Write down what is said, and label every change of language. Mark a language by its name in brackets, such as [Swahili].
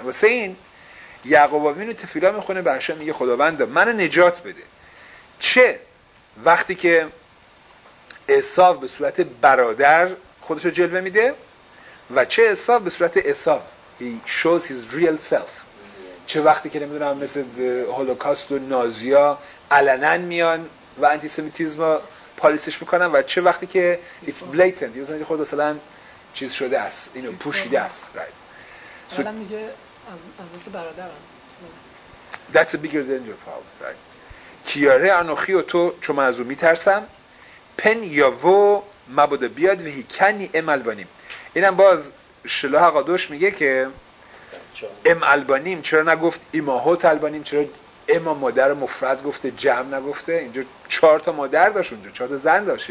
[Persian] واسه این یعقوب اوینو تفیلا میخونه به هاشم، میگه خداوند منو نجات بده، چه وقتی که عصاب به صورت برادر خودشو جلوه میده و چه عصاب به صورت عصاب، [English] he shows his real self، [Persian] چه وقتی که نمیدونم مثل هولوکاست و نازیا علنن میان و انتیسمیتیزم رو پالیسش میکنن و چه وقتی که [English] it's blatant، [Persian] یعنی خود مثلا چیز شده است، اینو پوشیده است، right. so الان میگه از دست برادرم. [English] That's a bigger danger problem، right. [Hebrew] کیاره انوخی و تو [Persian] چون از اون میترسم، [Hebrew] پن یاوو مبوده بیاد و هیکنی ام البانیم. [Persian] اینم باز شلوح قادوش میگه که ام البانیم، چرا نگفت ایماهوت البانیم، چرا اما مادر مفرد گفته جمع نگفته، اینجا چهار تا مادر داشت، اونجا چهار تا زن داشت.